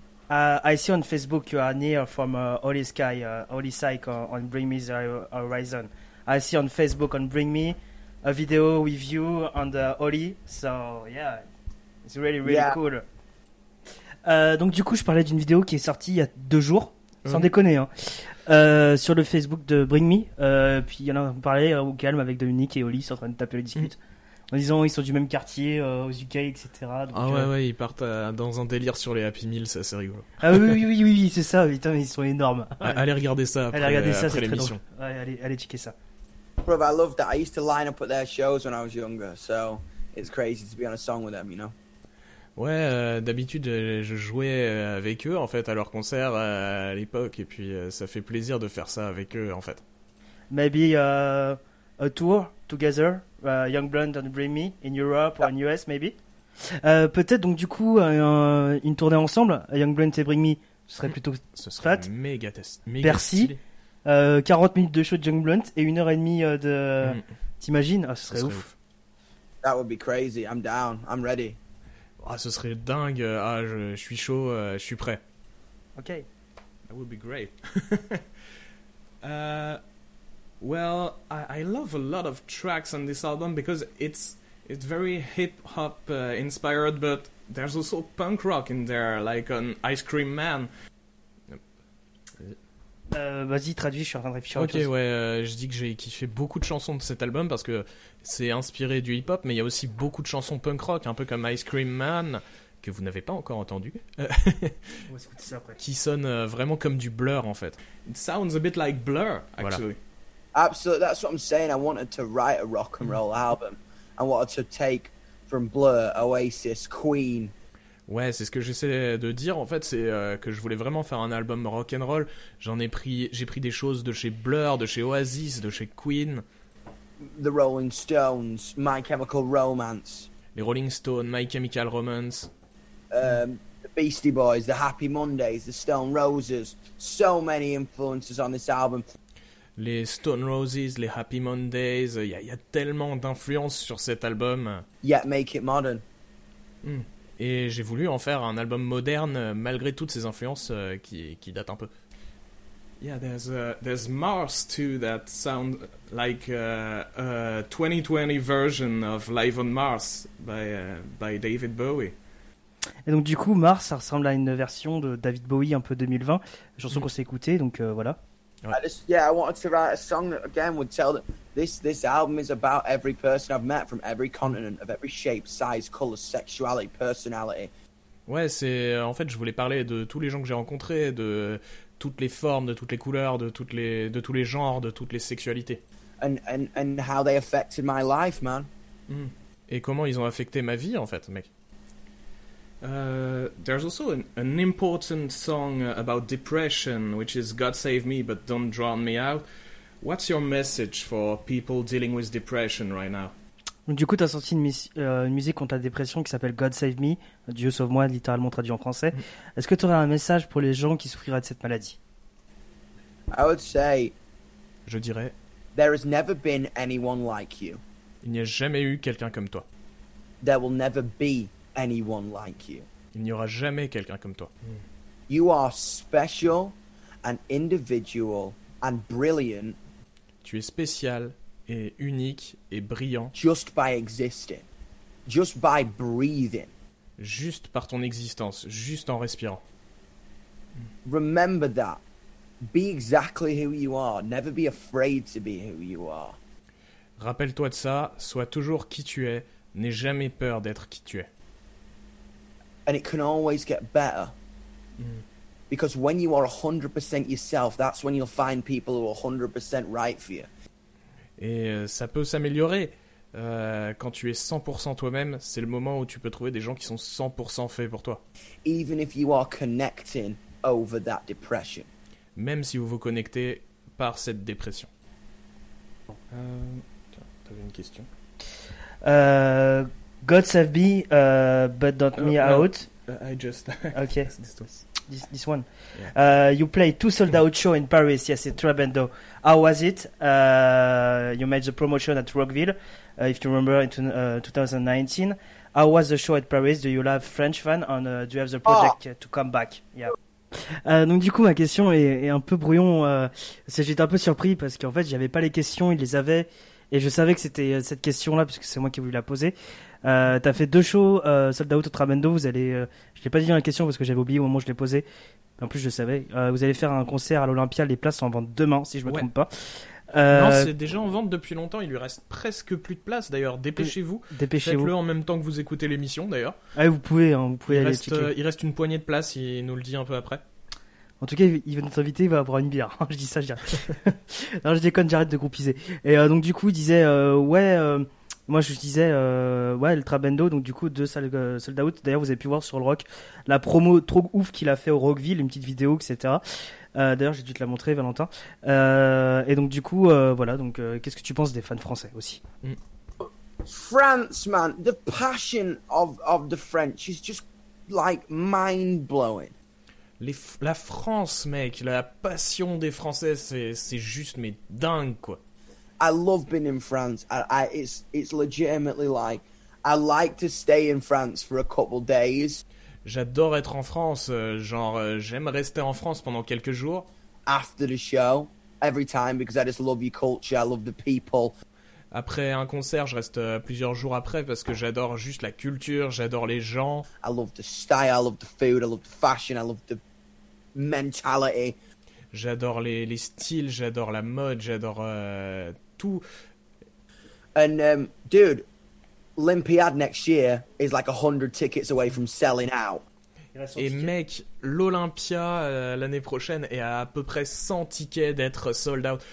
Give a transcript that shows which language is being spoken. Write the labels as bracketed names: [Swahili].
[English] I see on Facebook you are near from Holy Sky, Holy Psych on Bring Me the Horizon. I see on Facebook on Bring Me a video with you on the Holy. So yeah, it's really really cool. [French] Donc du coup, je parlais d'une vidéo qui est sortie il y a deux jours, sans déconner, hein, sur le Facebook de Bring Me. Puis il y en a parlé au calme avec Dominique et Holy, sont en train de taper le dispute. en disant ils sont du même quartier aux UK, etc. Donc, ah ouais, ouais, ils partent dans un délire sur les Happy Meals, c'est assez rigolo. Ah oui, oui, oui, oui, oui, c'est ça, putain, ils sont énormes. Ouais. Allez regarder ça après, après c'est l'émission. Très drôle. Ouais, allez, allez checker ça. [English] Bro, I love that. I used to line up at their shows when I was younger, so it's crazy to be on a song with them, you know. [French] Ouais, d'habitude je jouais avec eux en fait à leurs concerts à l'époque, et puis ça fait plaisir de faire ça avec eux en fait. [English] Maybe a tour together, Young Blonde and Bring Me in Europe or in US maybe. [French] Peut-être donc du coup une tournée ensemble, Young Blonde and Bring Me, ce serait plutôt ce serait fat. Méga test. Méga Bercy. 40 minutes de show de Young Blunt et 1h30 de. T'imagines? Ah, ce serait ouf. [English] That would be crazy. I'm down. I'm ready. [French] Ah, ce serait dingue. Ah, je suis chaud. Je suis prêt. [English] Ok. That would be great. Well, I love a lot of tracks on this album because it's very hip hop inspired, but there's also punk rock in there, like an Ice Cream Man. [French] Vas-y, traduis, je suis en train de réfléchir. Ok, ouais, je dis que j'ai kiffé beaucoup de chansons de cet album parce que c'est inspiré du hip-hop, mais il y a aussi beaucoup de chansons punk rock, un peu comme Ice Cream Man, que vous n'avez pas encore entendu. On va écouter ça après. Qui sonne vraiment comme du Blur, en fait. [English] It sounds a bit like Blur, actually. Voilà. Absolutely, that's what I'm saying. I wanted to write a rock and roll album. I wanted to take from Blur, Oasis, Queen... [French] Ouais, c'est ce que j'essaie de dire, en fait, c'est que je voulais vraiment faire un album rock'n'roll. J'ai pris des choses de chez Blur, de chez Oasis, de chez Queen. [English] The Rolling Stones, My Chemical Romance. [French] Les Rolling Stones, My Chemical Romance. [English] The Beastie Boys, The Happy Mondays, The Stone Roses. So many influences on this album. [French] Les Stone Roses, les Happy Mondays, il y a tellement d'influences sur cet album. [English] Yet make it modern. Hmm. [French] Et j'ai voulu en faire un album moderne malgré toutes ces influences qui datent un peu. [English] Yeah, there's Mars too that sound like a 2020 version of Live on Mars by David Bowie. [French] Et donc du coup Mars ça ressemble à une version de David Bowie un peu 2020, chanson qu'on s'est écoutée, donc voilà. Ouais. [English] I wanted to write a song that again would tell that this album is about every person I've met from every continent, of every shape, size, color, sexuality, personality. [French] Ouais, c'est en fait je voulais parler de tous les gens que j'ai rencontrés, de toutes les formes, de toutes les couleurs, de tous les genres, de toutes les sexualités. [English] And how they affected my life, man. [French] Et comment ils ont affecté ma vie en fait, mec. [English] There's also an important song about depression, which is God Save Me, But Don't Drown Me Out. What's your message for people dealing with depression right now? [French] Du coup, t'as sorti une musique contre la dépression qui s'appelle God Save Me, Dieu Sauve Moi, littéralement traduit en français. Est-ce que t'aurais un message pour les gens qui souffriraient de cette maladie? [English] I would say... [French] Je dirais... [English] There has never been anyone like you. [French] Il n'y a jamais eu quelqu'un comme toi. [English] There will never be... anyone like you. [French] Il n'y aura jamais quelqu'un comme toi. [English] You are special and individual and brilliant. [French] Tu es spécial et unique et brillant. [English] Just by existing. Just by breathing. [French] Juste par ton existence, juste en respirant. [English] Remember that. Be exactly who you are. Never be afraid to be who you are. [French] Rappelle-toi de ça, sois toujours qui tu es, n'aie jamais peur d'être qui tu es. [English] And it can always get better. Because when you are 100% yourself, that's when you'll find people who are 100% right for you. [French] Et ça peut s'améliorer. Quand tu es 100% toi-même, c'est le moment où tu peux trouver des gens qui sont 100% faits pour toi. Even if you are connecting over that depression. Même si vous vous connectez par cette dépression. T'avais une question. [English] God save me, but don't me out. I just... okay. This one. Yeah. You played two sold out show in Paris, yes, at Trabendo. How was it? You made the promotion at Rockville, if you remember, in 2019. How was the show at Paris? Do you love French fans? And do you have the project to come back? Yeah. [French] Donc du coup, ma question est un peu brouillon. J'étais un peu surpris parce qu'en fait, j'avais pas les questions, ils les avaient. Et je savais que c'était cette question-là, puisque c'est moi qui ai voulu la poser. T'as fait deux shows, Sold Out au Trabendo. Vous allez, je l'ai pas dit dans la question parce que j'avais oublié au moment où je l'ai posée. En plus, je le savais. Vous allez faire un concert à l'Olympia. Les places sont en vente demain, si je me trompe pas. Non, c'est déjà en vente depuis longtemps. Il lui reste presque plus de place. D'ailleurs, dépêchez-vous. Dépêchez-vous. Faites-le en même temps que vous écoutez l'émission, d'ailleurs. Ah, vous pouvez, hein, vous pouvez il aller reste, checker. Il reste une poignée de place, il nous le dit un peu après. En tout cas, il va nous inviter, il va boire une bière. Je dis ça, je dis non, je déconne, j'arrête de groupiser. Et donc, du coup, il disait, ouais... Moi je disais ouais Ultra Bendo, donc du coup deux sold out. D'ailleurs vous avez pu voir sur le Rock la promo trop ouf qu'il a fait au Rockville, une petite vidéo etc. D'ailleurs j'ai dû te la montrer Valentin. Et donc du coup voilà donc qu'est-ce que tu penses des fans français aussi? [English] France man, the passion of the French is just like mind blowing. [French] La France mec, la passion des Français c'est juste mais dingue quoi. [English] I love being in France. It's legitimately like I like to stay in France for a couple days. [French] J'adore être en France. Genre j'aime rester en France pendant quelques jours. [English] After the show, every time because I just love your culture. I love the people. [French] Après un concert, je reste plusieurs jours après parce que j'adore juste la culture. J'adore les gens. [English] I love the style. I love the food. I love the fashion. I love the mentality. [French] J'adore les styles, j'adore la mode, j'adore tout. [English] And dude, l'Olympiade next year is like 100 tickets away from selling out. [French] Et mec, l'Olympia l'année prochaine est à peu près 100 tickets d'être sold out.